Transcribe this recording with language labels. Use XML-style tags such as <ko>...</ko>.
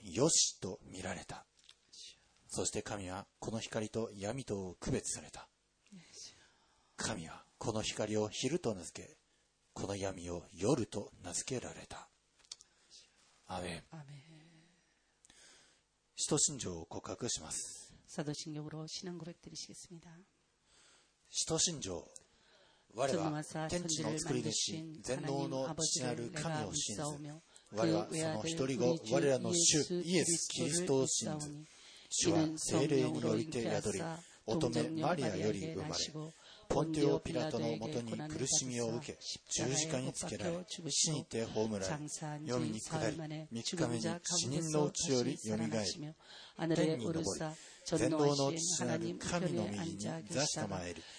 <ja>神はその光をよしと見られた。そして神はこの光と闇とを区別された。神はこの光を昼と名付け、 この闇を夜と名付けられた。</ja> <ko>아멘。</ko> <ja>使徒信条を告白します。</ja> <ko>사도신경으로 신앙 고백드리시겠습니다.</ko> <ja>使徒信条。我は天地の造り主、全能の父なる神を信ず。我はその一人子、我らの主イエス・キリストを信ず。主は聖霊によって宿り、乙女マリアより生まれ、ポンティオ・ピラトのもとに苦しみを受け、十字架につけられ、死にて葬られ、よみに下り、三日目に死人の地より蘇り、天に昇り、全能の父なる神の右に座し構える。</ja>